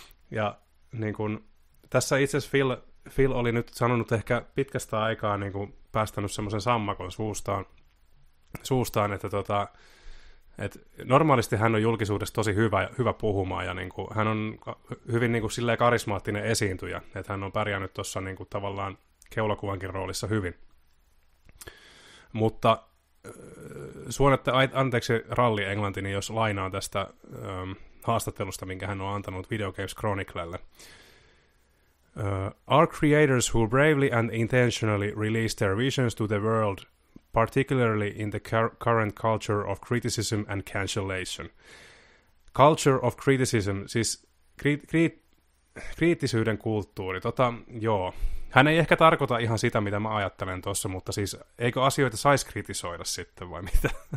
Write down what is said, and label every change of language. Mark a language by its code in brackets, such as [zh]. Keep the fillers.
[fi] Ja niin kuin, tässä itse asiassa Phil, Phil oli nyt sanonut ehkä pitkästä aikaa niin kuin päästänyt semmoisen sammakon suustaan, suustaan että tota, et normaalisti hän on julkisuudessa tosi hyvä, hyvä puhumaan ja niinku, hän on ka- hyvin niinku silleen karismaattinen esiintyjä, että hän on pärjännyt tuossa niinku tavallaan keulakuvankin roolissa hyvin. Mutta äh, suonette ai- anteeksi ralli englantini, jos lainaan tästä ähm, haastattelusta, minkä hän on antanut Video Games Chroniclelle. [en] Uh, are creators who bravely and intentionally release their visions to the world, particularly in the cur- current culture of criticism and cancellation. Culture of criticism, [fi] siis kri- kri- kriittisyyden kulttuuri. Tota, joo. Hän ei ehkä tarkoita ihan sitä, mitä mä ajattelen tuossa, mutta siis eikö asioita saisi kritisoida sitten vai mitä?